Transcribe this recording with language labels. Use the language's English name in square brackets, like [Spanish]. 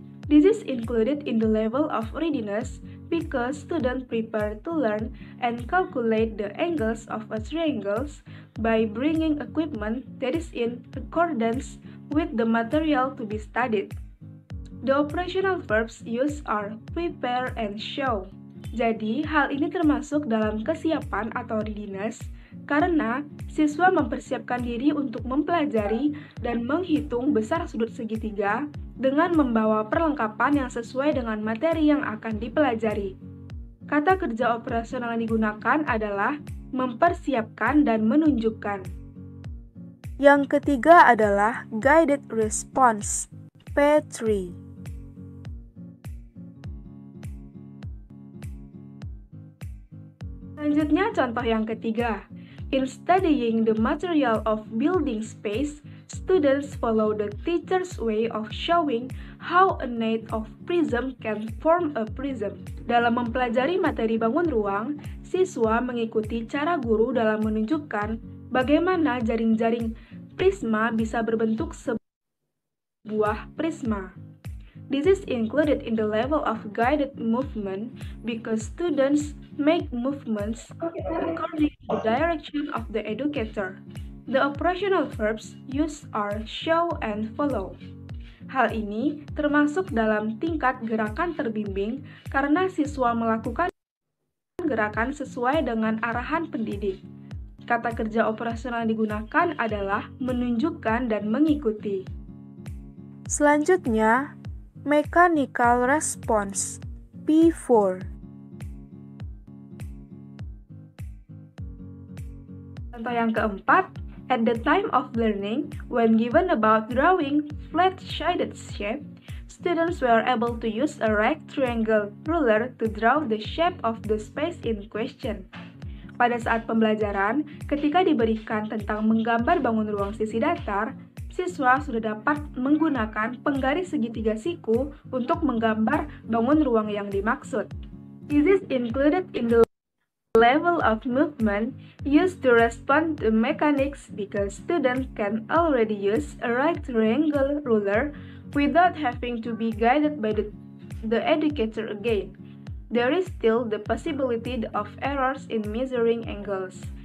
[English] This is included in the level of readiness because students prepare to learn and calculate the angles of a triangle by bringing equipment that is in accordance with the material to be studied. The operational verbs used are prepare and show. [Indonesian] Jadi, hal ini termasuk dalam kesiapan atau readiness karena siswa mempersiapkan diri untuk mempelajari dan menghitung besar sudut segitiga dengan membawa perlengkapan yang sesuai dengan materi yang akan dipelajari. Kata kerja operasional yang digunakan adalah mempersiapkan dan menunjukkan. Yang ketiga adalah guided response, P3. Selanjutnya contoh yang ketiga. [English] In studying the material of building space, students follow the teacher's way of showing how a net of prism can form a prism. [Indonesian] Dalam mempelajari materi bangun ruang, siswa mengikuti cara guru dalam menunjukkan bagaimana jaring-jaring prisma bisa berbentuk sebuah prisma. [English] This is included in the level of guided movement because students make movements according to the direction of the educator. The operational verbs used are show and follow. [Indonesian] Hal ini termasuk dalam tingkat gerakan terbimbing karena siswa melakukan gerakan sesuai dengan arahan pendidik. Kata kerja operasional yang digunakan adalah menunjukkan dan mengikuti. Selanjutnya, [English] mechanical response, P4. [Indonesian] Contoh yang keempat, [English] at the time of learning, when given about drawing flat-sided shape, students were able to use a rectangle ruler to draw the shape of the space in question. [Indonesian] Pada saat pembelajaran, ketika diberikan tentang menggambar bangun ruang sisi datar, siswa sudah dapat menggunakan penggaris segitiga siku untuk menggambar bangun ruang yang dimaksud. [English] This is included in the level of movement used to respond to mechanics because students can already use a right triangle ruler without having to be guided by the educator again. there is still the possibility of errors in measuring angles.